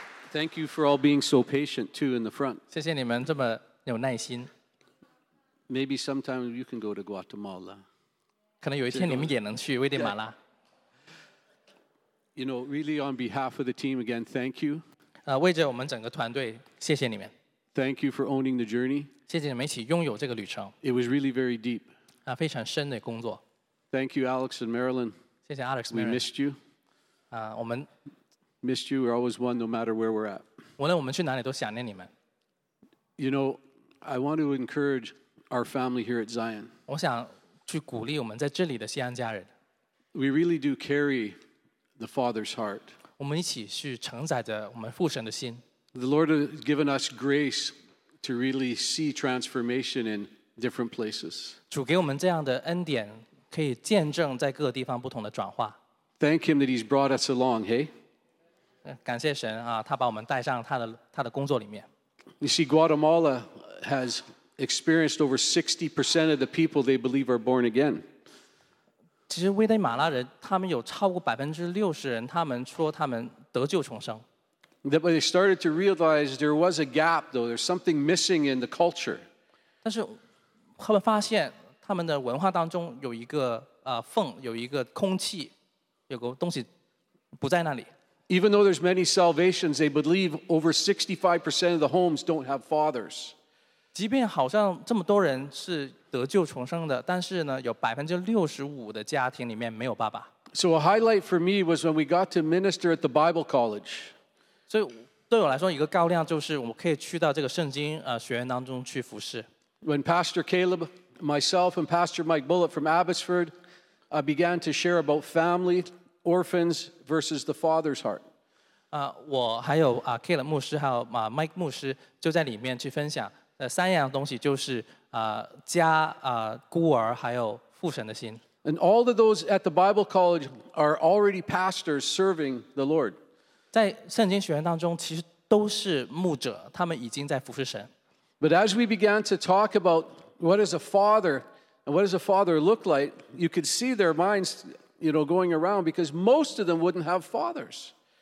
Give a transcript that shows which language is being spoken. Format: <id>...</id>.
<en>Thank you for all being so patient, too, in the front. Maybe sometime you can go to Guatemala. You know, really on behalf of the team, again, thank you.</en> <zh>为着我们整个团队，谢谢你们。</zh> <en>Thank you for owning the journey.</en> <zh>谢谢你们一起拥有这个旅程。</zh> <en>It was really very deep.</en> <zh>非常深的工作。</zh> <en>Thank you, Alex and Marilyn.</en> <zh>谢谢Alex, Marilyn.</zh> <en>We missed you. Missed you, we're always one no matter where we're at.</en> <zh>无论我们去哪里都想念你们。</zh> <en>You know, I want to encourage our family here at Zion.</en> <zh>我想去鼓励我们在这里的西安家人。</zh> <en>We really do carry the Father's heart. The Lord has given us grace to really see transformation in different places. Thank Him that He's brought us along, hey?</en> <zh>感谢神啊，他把我们带上他的工作里面。</zh> <en>You see, Guatemala has experienced over 60% of the people they believe are born again.</en> <zh>其实威内马拉人他们有超过60%人他们说他们得救重生。</zh> <en>But they started to realize there was a gap, though. There's something missing in the culture.</en> <zh>但是他们发现他们的文化当中有一个缝，有一个空气，有个东西不在那里。</zh> <en>Even though there's many salvations, they believe over 65% of the homes don't have fathers.</en> <zh>即便好像这么多人是得救重生的，但是呢，有65%的家庭里面没有爸爸。</zh> <en>So a highlight for me was when we got to minister at the Bible College.</en> <zh>所以对我来说，一个高亮就是我们可以去到这个圣经学院当中去服侍。</zh> <en>When Pastor Caleb, myself, and Pastor Mike Bullitt from Abbotsford, began to share about family, orphans versus the father's heart.</en> <zh>我还有Caleb牧师还有Mike牧师就在里面去分享。三样东西就是家、孤儿还有父神的心。</zh> <en>And all of those at the Bible College are already pastors serving the Lord.</en> <zh>在圣经学院当中其实都是牧者，他们已经在服侍神。</zh> <en>But as we began to talk about what is a father and what does a father look like, you could see their minds, you know, going around because most of them wouldn't have fathers.</en>